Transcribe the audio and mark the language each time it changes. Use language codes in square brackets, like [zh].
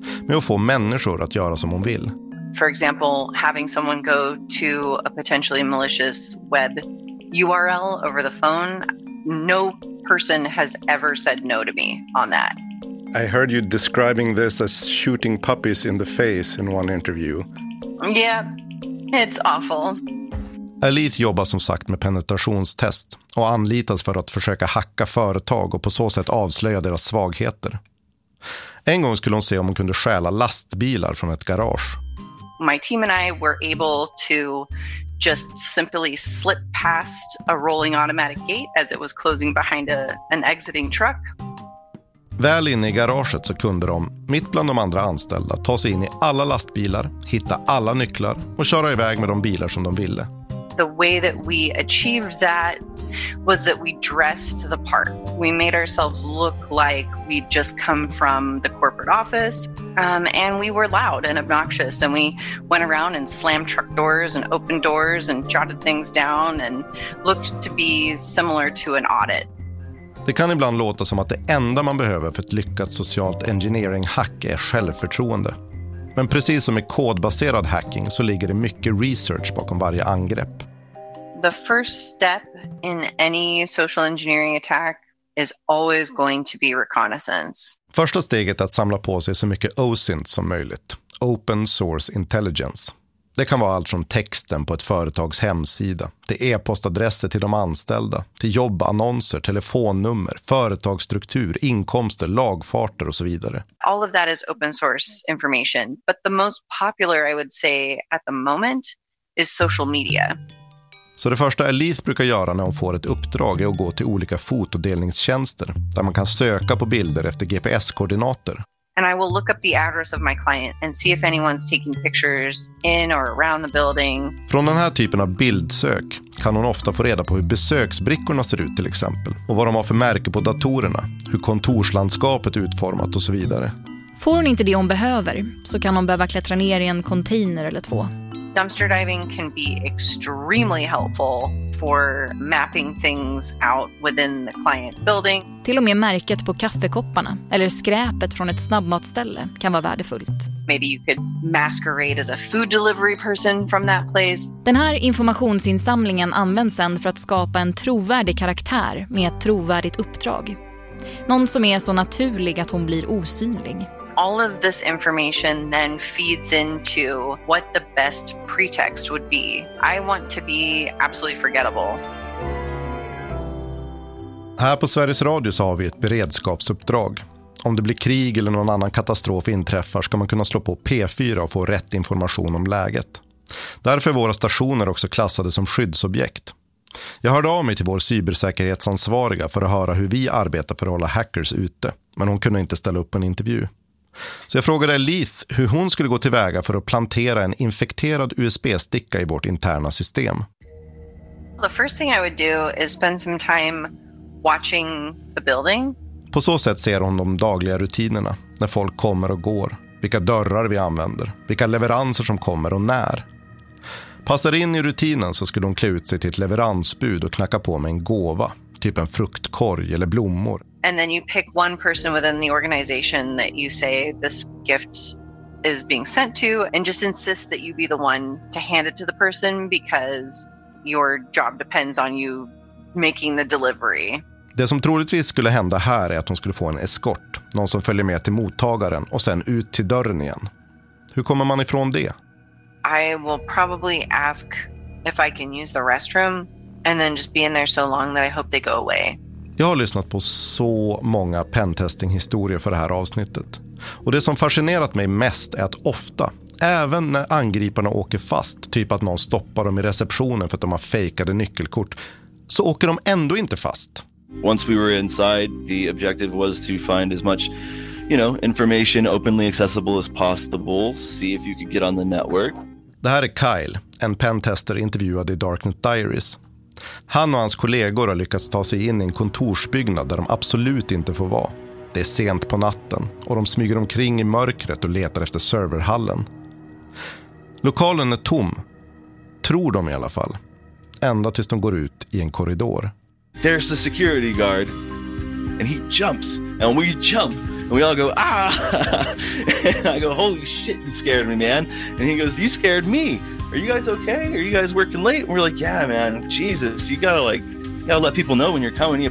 [sv] Med att få människor att göra som hon vill. [en] For example, having someone go to a potentially malicious web URL over the phone. No person has ever said no to me on that. I heard you describing this as shooting puppies in the face in one interview. Yeah, it's awful. [sv] Elif jobbar som sagt med penetrationstest och anlitas för att försöka hacka företag och på så sätt avslöja deras svagheter. En gång skulle hon se om hon kunde stjäla lastbilar från ett garage. [en] My team and I were able to just simply slip past a rolling automatic gate as it was closing behind an exiting truck. [sv] Väl inne i garaget så kunde de, mitt bland de andra anställda, ta sig in i alla lastbilar, hitta alla nycklar och köra iväg med de bilar som de ville. [en] The way that we achieved that was that we dressed the part. We made ourselves look like we'd just come from the corporate office. And we were loud and obnoxious. And we went around and slammed truck doors and opened doors and jotted things down and looked to be similar to an audit. [sv] Det kan ibland låta som att det enda man behöver för ett lyckat socialt engineering-hack är självförtroende. Men precis som med kodbaserad hacking så ligger det mycket research bakom varje angrepp. [en] The first step in any social engineering attack is always going to be reconnaissance. [sv] Första steget är att samla på sig så mycket OSINT som möjligt. [en] Open source intelligence. [sv] Det kan vara allt från texten på ett företags hemsida, till e-postadresser till de anställda, till jobbannonser, telefonnummer, företagsstruktur, inkomster, lagfarter och så vidare. [en] All of that is open source information, but the most popular I would say at the moment is social media. [sv] Så det första Elith brukar göra när hon får ett uppdrag är att gå till olika fotodelningstjänster där man kan söka på bilder efter GPS-koordinater. [en] And I will look up the address of my client and see if anyone's taking pictures in or around the building. [sv] Från den här typen av bildsök kan hon ofta få reda på hur besöksbrickorna ser ut till exempel och vad de har för märke på datorerna, hur kontorslandskapet är utformat och så vidare. Får hon inte det hon behöver så kan hon behöva klättra ner i en container eller två. [en] Dumpster diving can be extremely helpful for mapping things out within the client building. [sv] Till och med märket på kaffekopparna eller skräpet från ett snabbmatsställe kan vara värdefullt. [en] Maybe you could masquerade as a food delivery person from that place. [sv] Den här informationsinsamlingen används sedan för att skapa en trovärdig karaktär med ett trovärdigt uppdrag. Någon som är så naturlig att hon blir osynlig. [en] All of this information then feeds into what the best pretext would be. I want to be absolutely forgettable. [sv] Här på Sveriges Radio så har vi ett beredskapsuppdrag. Om det blir krig eller någon annan katastrof inträffar ska man kunna slå på P4 och få rätt information om läget. Därför är våra stationer också klassade som skyddsobjekt. Jag hörde av mig till vår cybersäkerhetsansvariga för att höra hur vi arbetar för att hålla hackers ute. Men hon kunde inte ställa upp en intervju. Så jag frågade Elith hur hon skulle gå tillväga för att plantera en infekterad USB-sticka i vårt interna system. [en] The first thing I would do is spend some time watching the building. [sv] På så sätt ser hon de dagliga rutinerna, när folk kommer och går, vilka dörrar vi använder, vilka leveranser som kommer och när. Passar in i rutinen så skulle hon klä ut sig till ett leveransbud och knacka på med en gåva, typ en fruktkorg eller blommor. [en] And then you pick one person within the organization that you say this gift is being sent to and just insist that you be the one to hand it to the person because your job depends on you making the delivery. [sv] Det som troligtvis skulle hända här är att hon skulle få en eskort, någon som följer med till mottagaren och sen ut till dörren igen. Hur kommer man ifrån det? [en] I will probably ask if I can use the restroom and then just be in there so long that I hope they go away. [sv] Jag har lyssnat på så många pentesting-historier för det här avsnittet. Och det som fascinerat mig mest är att ofta, även när angriparna åker fast, typ att någon stoppar dem i receptionen för att de har fejkade nyckelkort, så åker de ändå inte fast. [en] Once we were inside, the objective was to find as much, you know, information openly accessible as possible, see if you could get on the network. [sv] Det här är Kyle, en pentester intervjuad i Darknet Diaries. Han och hans kollegor har lyckats ta sig in i en kontorsbyggnad där de absolut inte får vara. Det är sent på natten och de smyger omkring i mörkret och letar efter serverhallen. Lokalen är tom, tror de i alla fall, ända tills de går ut i en korridor. [en] There's the security guard and he jumps and we jump and we all go ah and I go holy shit you scared me man and he goes you scared me. Are you guys okay? Are you guys working late? And we're like, yeah, man. Jesus, you gotta let people know when you're coming.